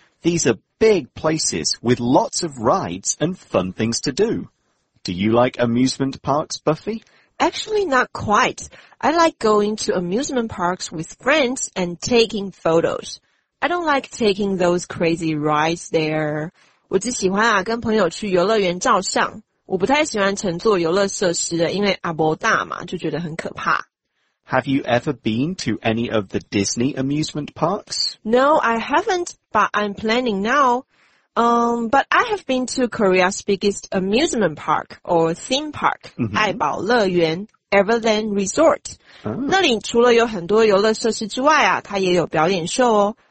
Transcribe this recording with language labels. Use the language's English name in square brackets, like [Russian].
[English] These are big places with lots of rides and fun things to do. Do you like amusement parks, Buffy? Actually, not quite. I like going to amusement parks with friends and taking photos. I don't like taking those crazy rides there. [Chinese] 我只喜欢啊跟朋友去游乐园照相。我不太喜欢乘坐游乐设施的，因为阿伯大嘛，就觉得很可怕。 [English] Have you ever been to any of the Disney amusement parks? No, I haven't, but I'm planning now. But I have been to Korea's biggest amusement park or theme park, 爱宝乐园 Everland Resort.、 [Chinese] 那里除了有很多游乐设施之外啊，它也有表演秀哦。